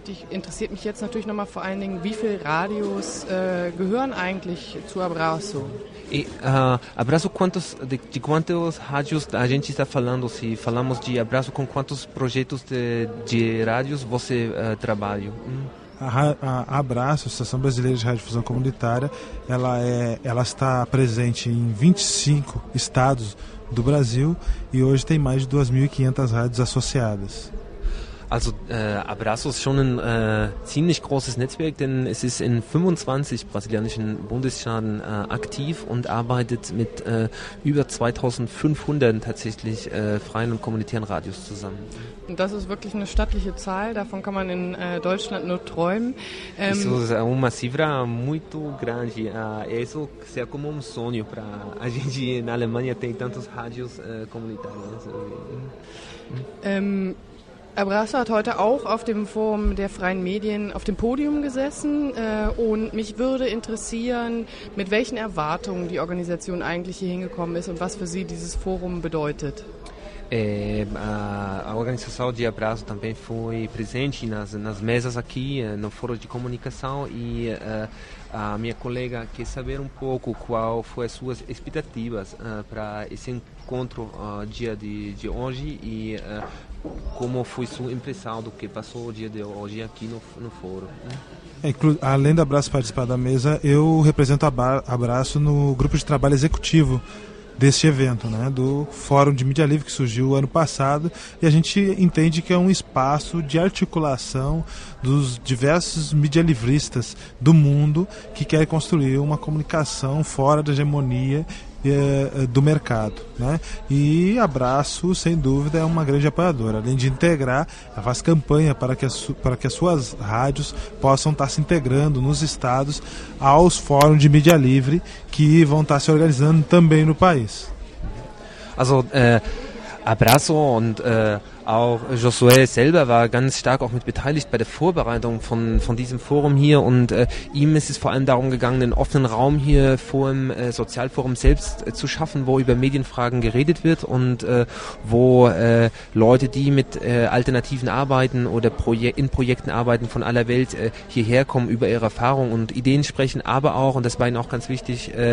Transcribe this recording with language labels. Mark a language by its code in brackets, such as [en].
[de] Interessiert mich jetzt natürlich nochmal vor allen Dingen, wie viele Radios gehören eigentlich zu Abrazo? [pt] Abrazo, quantos radios a gente está falando? Se falamos de Abrazo, com quantos projetos de radios você trabalha? A Abrazo, a Associação Brasileira de Radiodifusão Comunitária, ela está presente em 25 estados do Brasil e hoje tem mais de 2.500 rádios associadas. [de] Also, Abrazo ist schon ein ziemlich großes Netzwerk, denn es ist in 25 brasilianischen Bundesstaaten aktiv und arbeitet mit über 2.500 tatsächlich freien und kommunitären Radios zusammen. Das ist wirklich eine stattliche Zahl, davon kann man in Deutschland nur träumen. [pt] Isso é uma cifra muito grande, isso é como sonho para a gente na Alemanha ter tantos rádios comunitários. [de] Abrazo hat heute auch auf dem Forum der freien Medien auf dem Podium gesessen und mich würde interessieren, mit welchen Erwartungen die Organisation eigentlich hier hingekommen ist und was für sie dieses Forum bedeutet. [pt] A organização de Abrazo também foi presente nas mesas aqui no Fórum de Comunicação e a minha colega quer saber um pouco qual foi as suas expectativas para esse encontro dia de hoje e como foi sua impressão do que passou o dia de hoje aqui no fórum. Além da Abrazo participar da mesa, eu represento a Abrazo no grupo de trabalho executivo deste evento, né, do Fórum de Mídia Livre, que surgiu ano passado, e a gente entende que é um espaço de articulação dos diversos mídia livristas do mundo que querem construir uma comunicação fora da hegemonia do mercado, né? E Abrazo, sem dúvida, é uma grande apoiadora. Além de integrar, ela faz campanha para que as suas rádios possam estar se integrando nos estados aos fóruns de mídia livre que vão estar se organizando também no país. [de] Also, Abrazo und auch Josué selber war ganz stark auch mit beteiligt bei der Vorbereitung von diesem Forum hier und ihm ist es vor allem darum gegangen, den offenen Raum hier vor dem Sozialforum selbst zu schaffen, wo über Medienfragen geredet wird und wo Leute, die mit Alternativen arbeiten oder in Projekten arbeiten von aller Welt hierher kommen, über ihre Erfahrungen und Ideen sprechen, aber auch, und das war ihnen auch ganz wichtig,